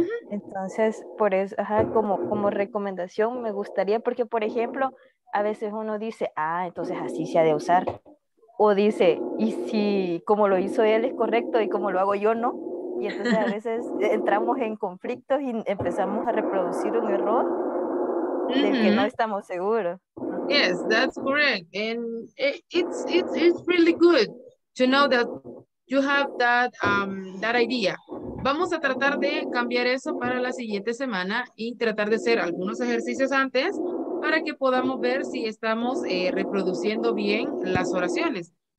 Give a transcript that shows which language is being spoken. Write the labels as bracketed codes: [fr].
[es] Entonces, por eso, como recomendación me gustaría, porque por ejemplo, a veces uno dice, entonces así se ha de usar. O dice, y si como lo hizo él es correcto y como lo hago yo no. Y entonces a veces entramos en conflictos y empezamos a reproducir un error de que no estamos seguros. [en] Yes, that's correct. And it's really good to know that you have that that idea. [es] Vamos a tratar de cambiar eso para la siguiente semana y tratar de hacer algunos ejercicios antes para que podamos ver si estamos reproduciendo bien las oraciones.